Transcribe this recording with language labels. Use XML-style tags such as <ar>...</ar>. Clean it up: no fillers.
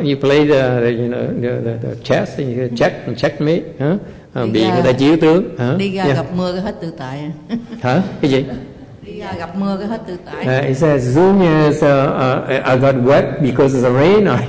<en>You play the chess and you check and checkmate, huh?</en> <vi>Bị người ta chiếu tướng, huh? Đi ra gặp mưa cái hết tự tại. Hả? Cái gì? Đi ra gặp mưa cái hết tự tại.</vi> <en>It says, "Zoom is I got wet because of the rain.</en>